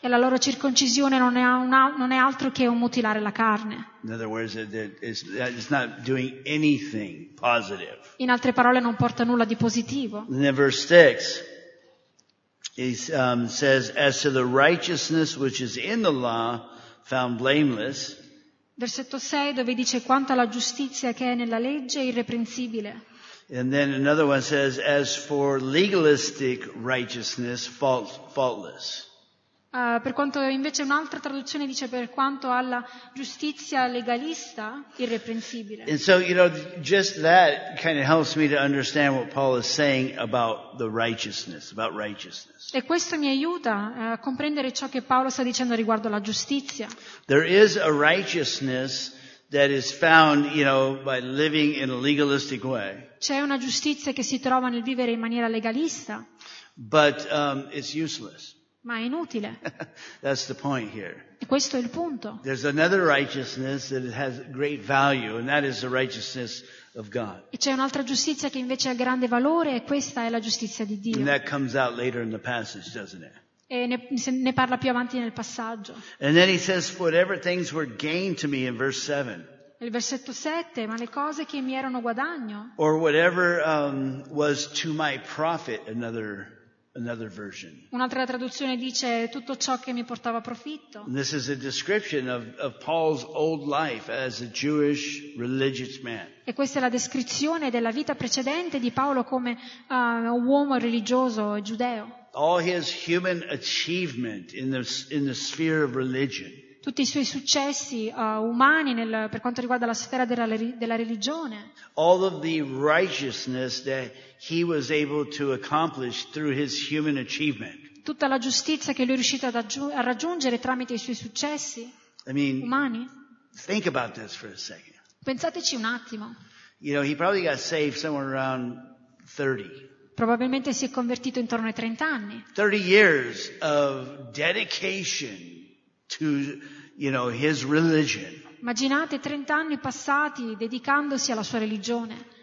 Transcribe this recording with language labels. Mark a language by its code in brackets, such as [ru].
[it] E la loro circoncisione non è altro che un mutilare la carne. [en] In other words, it's not doing anything positive. [it] In altre parole, non porta nulla di positivo. [en] In verse 6, he says, as to the righteousness which is in the law, found blameless. [it] Versetto 6 dove dice quanto alla giustizia che è nella legge irreprensibile. [en] And then another one says as for legalistic righteousness faultless. [it] Per quanto invece un'altra traduzione dice per quanto alla giustizia legalista irreprensibile. [en] And so you know just that kind of helps me to understand what Paul is saying about righteousness. [it] E questo mi aiuta a comprendere ciò che Paolo sta dicendo riguardo alla giustizia. [en] There is a righteousness that is found, you know, by living in a legalistic way. [it] C'è una giustizia che si trova nel vivere in maniera legalista. [en] But it's useless. [it] Ma è inutile. [en] That's the point here. [it] E questo è il punto. [en] There's another righteousness that has great value, and that is the righteousness of God. [it] E c'è un'altra giustizia che invece ha grande valore, e questa è la giustizia di Dio. [en] And that comes out later in the passage, doesn't it? [it] E ne parla più avanti nel passaggio. [en] And then he says, "Whatever things were gained to me," in verse 7. [it] Il versetto 7, ma le cose che mi erano guadagno. [en] Or whatever was to my profit, another Another version. [it] Un'altra traduzione dice tutto ciò che mi portava profitto. [en] This is a description of Paul's old life as a Jewish religious man. [it] E questa è la descrizione della vita precedente di Paolo come uomo religioso giudeo. [en] All his human achievement in the sphere of religion. [it] Tutti i suoi successi umani per quanto riguarda la sfera della religione. [en] All of the righteousness that he was able to accomplish through his human achievement. [it] Tutta la giustizia che lui è riuscito a raggiungere tramite i suoi successi umani. [en] Think about this for a second. [it] Pensateci un attimo. [en] You know, he probably got saved somewhere around 30. [it] Probabilmente si è convertito intorno ai 30 anni. [en] 30 years of dedication to, you know, his religion. [it] Immaginate 30 anni passati dedicandosi alla sua religione.